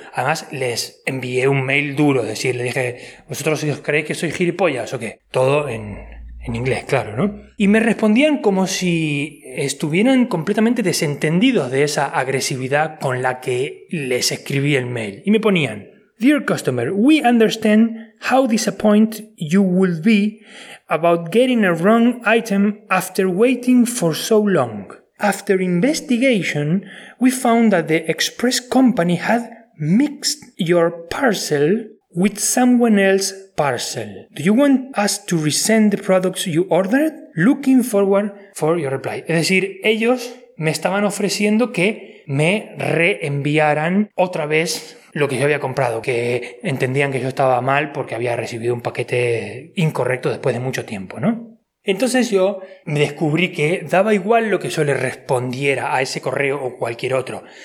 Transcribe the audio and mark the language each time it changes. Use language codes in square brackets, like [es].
[es] Además, les envié un mail duro, le dije, ¿vosotros creéis que soy gilipollas o qué? Todo en inglés, claro, ¿no? Y me respondían como si estuvieran completamente desentendidos de esa agresividad con la que les escribí el mail. Y me ponían, [en] Dear customer, we understand how disappointed you would be about getting a wrong item after waiting for so long. After investigation, we found that the express company had mixed your parcel with someone else's parcel. Do you want us to resend the products you ordered? Looking forward for your reply. [es] Es decir, ellos me estaban ofreciendo que me reenviaran otra vez lo que yo había comprado, que entendían que yo estaba mal porque había recibido un paquete incorrecto después de mucho tiempo, ¿no? Entonces yo me descubrí que daba igual lo que yo le respondiera a ese correo o cualquier otro.